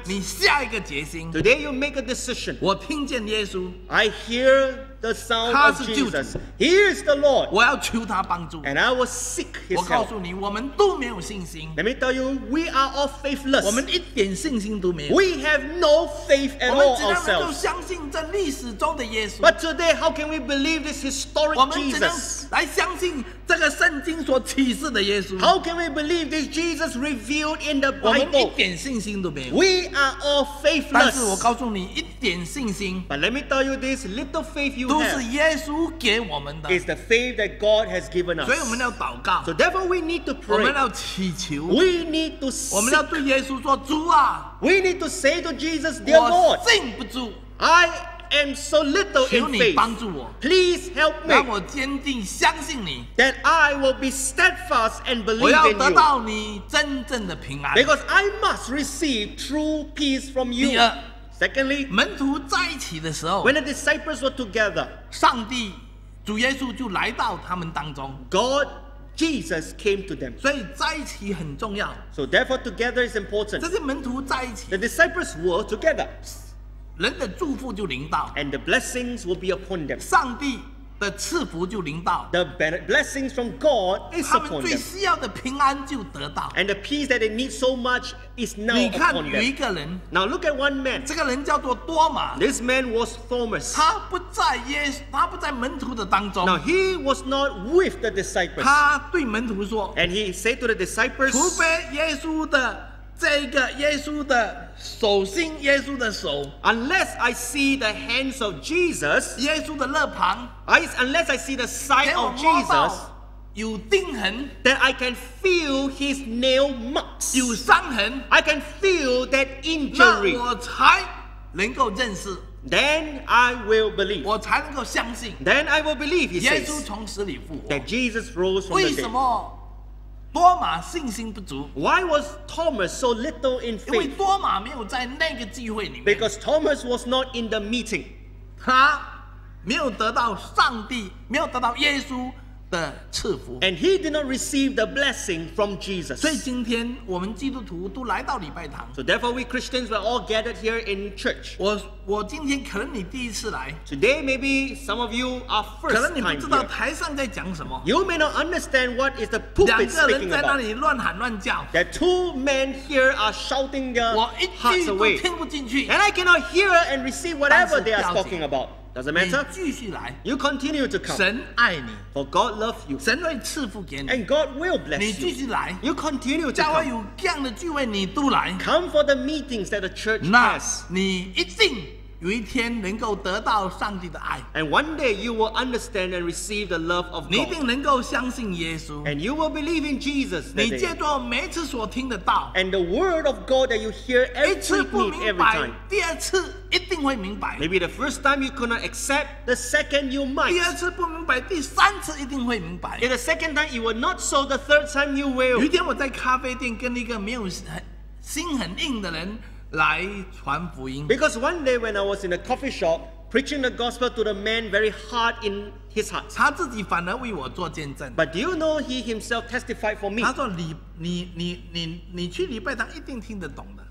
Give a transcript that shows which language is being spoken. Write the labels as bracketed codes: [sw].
[zh] 你下一个决心, [en] today you make a decision. [zh] 我听见耶稣, [en] I hear the sound of Jesus. He is the Lord. [zh] 我要求他帮助, [en] and I will seek his [zh] 我告诉你, [en] help. [zh] 我们都没有信心, [en] let me tell you, we are all faithless. [zh] 我们一点信心都没有, [en] we have no faith at all ourselves. [zh] 我们怎样能够相信这历史中的耶稣? [en] But today, how can we believe this historic Jesus? [zh] 来相信这个圣经所启示的耶稣? [en] How can we believe this Jesus revealed in the Bible? We are all faithless. [zh] 但是我告诉你, 一点信心, [en] but let me tell you this, little faith you have is the faith that God has given us. [zh] 所以我们要祷告, [en] so therefore we need to pray. [zh] 我们要祈求, [en] we need to seek. [zh] 我们要对耶稣说, 主啊, [en] we need to say to Jesus, dear Lord, [zh] 我信不住, [en] I am so little in faith. Please help me. [zh] 让我坚定相信你, [en] that I will be steadfast and believe in you. [zh] 我要得到你真正的平安, [en] because I must receive true peace from you. [zh] 第二, [en] secondly, [zh] 门徒在一起的时候, [en] when the disciples were together, [zh] 上帝, 主耶稣就来到他们当中, [en] God Jesus came to them. [zh] 所以在一起很重要, [en] so therefore together is important. [zh] 这些门徒在一起, [en] the disciples were together. [zh] 人的祝福就临到, [en] and the blessings will be upon them. [zh] 上帝的赐福就临到, [en] the blessings from God is upon them. [zh] 他们最需要的平安就得到, [en] and the peace that they need so much is now [zh] 你看有一个人, [en] upon them. Now look at one man. [zh] 这个人叫做多马, [en] this man was Thomas. [zh] 他不在门徒的当中, [en] now he was not with the disciples. [zh] 他对门徒说, [en] and he said to the disciples, [zh] 除非耶稣的, 这个耶稣的, 手心, 耶稣的手, [en] unless I see the hands of Jesus, [zh] 耶稣的肋旁, [en] unless I see the side of Jesus, [zh] 有钉痕, [en] that I can feel his nail marks, [zh] 有伤痕, [en] I can feel that injury, [zh] 那我才能够认识, [en] then I will believe, [zh] 我才能够相信, [en] then I will believe, he says, [zh] 耶稣从死里复活, [en] that Jesus rose from the dead. [zh] 为什么?多马信心不足, [en] why was Thomas so little in faith? [zh] 因为多马没有在那个聚会里面, [en] because Thomas was not in the meeting. [zh] 他没有得到上帝, 没有得到耶稣的赐福, [en] and he did not receive the blessing from Jesus. [zh] 所以今天我们基督徒都来到礼拜堂, [en] so therefore we Christians were all gathered here in church. [zh] 我今天可能你第一次来, [en] today maybe some of you are first time here. [zh] 可能你不知道台上在讲什么, [en] you may not understand what is the pulpit speaking about. [zh] 两个人在那里乱喊乱叫, [en] that two men here are shouting their hearts away, and I cannot hear and receive whatever they are talking about. Does it matter? [zh] 你继续来, [en] you continue to come. [zh] 神爱你, [en] for God loves you. [zh] 神会赐福给你, [en] and God will bless [zh] 你继续来, [en] you. You continue to come. [zh] 教会有这样的聚会你都来, [en] come for the meetings that the church has. [zh] 你一定有一天能够得到上帝的爱, [en] and one day you will understand and receive the love of God. [zh] 你一定能够相信耶稣, [en] and you will believe in Jesus. [zh] 你借着每次所听的道, [en] and the word of God that you hear every week, every time. [zh] 第二次, 一定会明白, [en] maybe the first time you could not accept, the second you might. [zh] 第二次不明白, 第三次一定会明白, [en] if the second time you were not so, the third time you will. [zh] 有一天我在咖啡店跟一个没有心很硬的人来传福音。 [en] Because one day when I was in a coffee shop preaching the gospel to the man very hard in his heart， [zh] 他自己反而为我做见证。 [en] But do you know he himself testified for me？ [zh] 他说你去礼拜堂一定听得懂的。